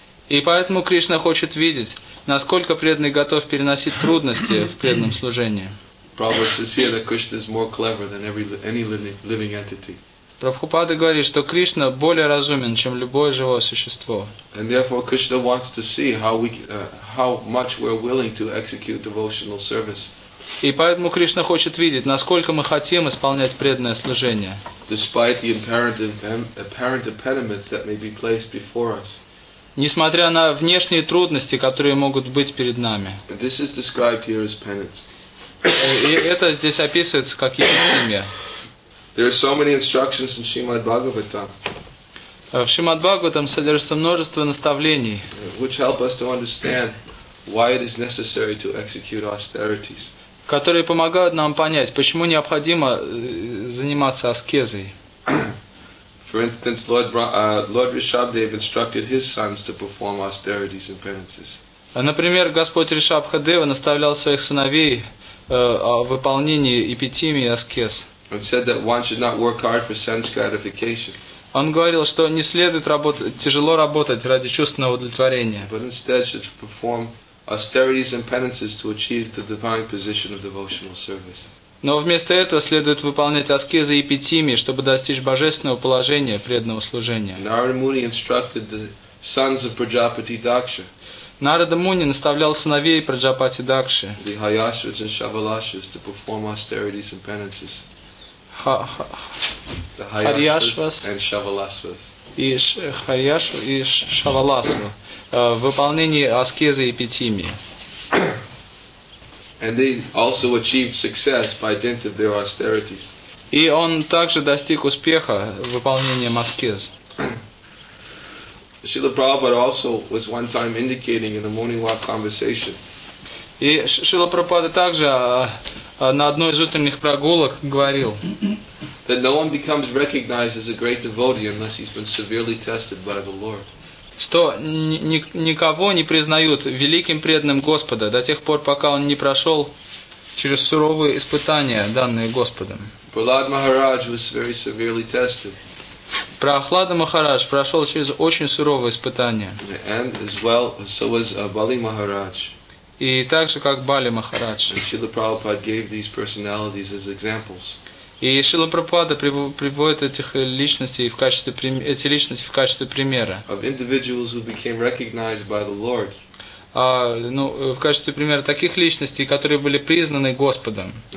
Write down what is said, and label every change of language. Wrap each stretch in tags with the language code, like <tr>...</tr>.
<ru>И поэтому Кришна хочет видеть, насколько преданный готов переносить трудности в преданном служении.</ru> <en>Prabhupada says here that Krishna is more clever than any living entity.</en> <ru>Прабхупада говорит, что Кришна более разумен, чем любое живое существо.</ru> <en>And therefore, Krishna wants to see how much we're willing to execute devotional service.</en> <ru>И поэтому Кришна хочет видеть, насколько мы хотим исполнять преданное служение.</ru> <en>Despite the apparent impediments that may be placed before us.</en> <ru>Несмотря на внешние трудности, которые могут быть перед нами.</ru> <en>This is described here as penance.</en> <ru>И это здесь описывается как епитимия.</ru> <en>There are so many instructions in Srimad Bhagavatam.</en> <ru>В Шримад Бхагаватам содержится множество наставлений.</ru> <en>Which help us to understand why it is necessary to execute austerities.</en> <ru>Которые помогают нам понять, почему необходимо заниматься аскезой.</ru> <en>For instance, Lord Rishabhdev instructed his sons to perform austerities and penances.</en> <ru>Например, Господь Ришабхадева наставлял своих сыновей в выполнении эпитимии и аскез.</ru> <en>It said that one should not work hard for sense gratification.</en> <ru>Он говорил, что не следует работать, тяжело работать ради чувственного удовлетворения.</ru> <en>But instead should perform austerities and penances to achieve the divine position of devotional service.</en> <ru>Но вместо этого следует выполнять аскезы и эпитимии, чтобы достичь божественного положения преданного служения.</ru> <en>Narada Muni instructed the sons of Prajapati Daksha.</en> <ru>Narada Muni наставлял сыновей Праджапати Дакши.</ru> <en>The Hayasras and Shavalashras to perform austerities and penances. The Hayasras and Shavalashras.</en> <ru>И Шавалашва. В выполнении аскезы и эпитимии.</ru> <en>And they also achieved success by dint of their austerities.</en> <ru>И он также достиг успеха выполнением аскез.</ru> <en>Шрила Прабхупада also was one time indicating in a morning walk conversation.</en> <ru>И Шрила Прабхупада также на одной из утренних прогулок говорил.</ru> <en>That no one becomes recognized as a great devotee unless he's been severely tested by the Lord.</en> <ru>Что никого не признают великим преданным Господа до тех пор, пока он не прошел через суровые испытания, данные Господом.</ru> <en>Prahlada Maharaj was very severely tested.</en> <ru>Прохлада Махарадж прошел через очень суровые испытания.</ru> <en>And as well, so was Бали Махарадж.</en> <ru>И так же, как Бали Махарадж.</ru> <en>And Srila Prabhupada gave these personalities as examples.</en> <ru>И Шрила Прабхупада приводит этих личностей в качестве эти личности в качестве примера.</ru> <en>Of individuals who became recognized by the Lord.</en> <ru>В качестве примера таких личностей, которые были признаны Господом.</ru>